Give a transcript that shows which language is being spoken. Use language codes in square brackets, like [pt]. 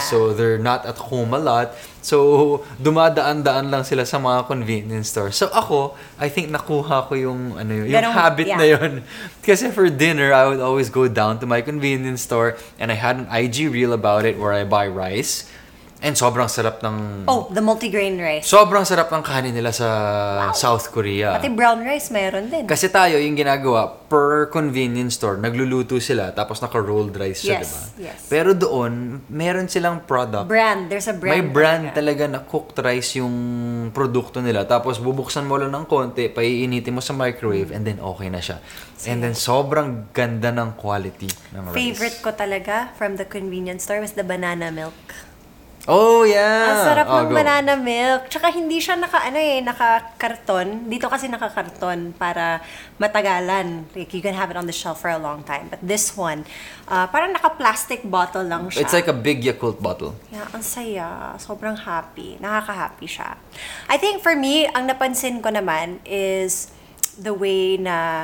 [en] So they're not at home a lot. So, [tl] dumadaan-daan lang sila sa mga convenience stores. So ako, [en] I think [tl] nakuha ko yung habit na yun. [en] Kasi for dinner, I would always go down to my convenience store and I had an IG reel about it where I buy rice. [tl] And sobrang sarap ng... [en] Oh, the multigrain rice. [tl] Sobrang sarap ng kanin nila sa South Korea. Pati brown rice mayroon din. Kasi tayo, yung ginagawa, per convenience store, nagluluto sila, tapos naka-rolled rice siya, [en] yes, [tl] diba? [en] Yes. [tl] Pero doon, meron silang product. [en] Brand. There's a brand. [tl] May brand talaga na cooked rice yung produkto nila. Tapos bubuksan mo lang ng konti, paiinitin mo sa microwave, and then okay na siya. [en] See? And then [tl] sobrang ganda ng quality ng [en] Favorite ko talaga from the convenience store was the banana milk. Oh, yeah! [tl] Ang sarap ng banana milk. Tsaka hindi siya naka-karton. Dito kasi naka-karton para matagalan. [en] Like, you can have it on the shelf for a long time. But this one, [tl] parang naka-plastic bottle lang siya. [en] It's like a big Yakult bottle. [tl] Yeah, ang saya. Sobrang happy. Nakaka-happy siya. [en] I think for me, [tl] ang napansin ko naman [en] is the way na...